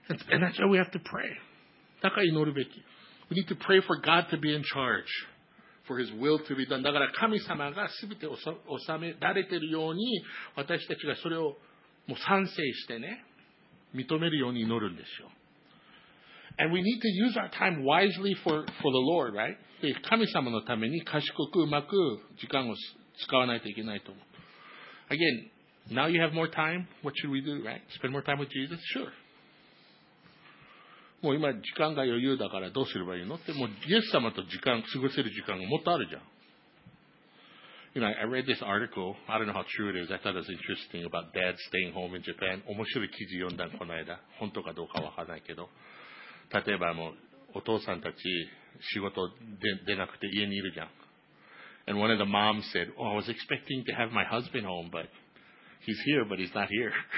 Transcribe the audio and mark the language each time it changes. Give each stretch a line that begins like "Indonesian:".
English: And that's why we have to pray.
Japanese: だから祈るべき。
English: We need to pray for God to be in charge, for His will to be done.
Japanese: だから神様がすべて収められているように私たちがそれをもう賛成してね、認めるように祈るんですよ。
English: And we need to use our time wisely for the Lord, right?
Japanese: 神様のために賢くうまく時間を使わないといけないと思う。
English: Again, now you have more time, what should we do, right? Spend more time with Jesus? Sure.
Japanese: もう今時間が余裕だからどうすればいいのって、もうイエス様と時間、過ごせる時間がもっとあるじゃん。
English: You know, I read this article. I don't know how true it is. I thought it was interesting about dad staying home in Japan.
Japanese: 面白い記事読んだこの間。本当かどうかわからないけど。例えばもうお父さんたち仕事出なくて家にいるじゃん。
English: And one of the moms said, oh, I was expecting to have my husband home, but he's here, but he's not here.